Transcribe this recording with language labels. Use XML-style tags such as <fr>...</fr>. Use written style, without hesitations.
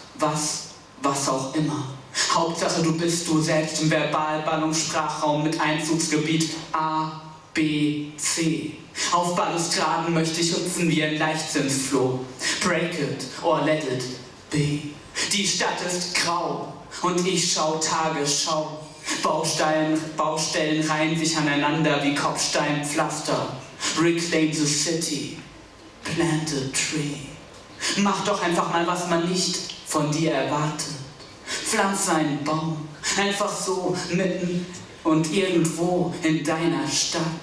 <de>Was auch immer. Hauptsache, du bist du selbst im Verbalballungssprachraum mit Einzugsgebiet A, B, C. Auf Balustraden möchte ich hüpfen wie ein Leichtsinnsfloh.</de> <en>Break it or let it be.</en> <de>Die Stadt ist grau und ich schau Tagesschau. Baustellen reihen sich aneinander wie Kopfsteinpflaster.</de> <en>Reclaim the city, plant a tree.</en> <de>Mach doch einfach mal, was man nicht von dir erwartet. Pflanze einen Baum, einfach so, mitten und irgendwo in deiner Stadt.</de>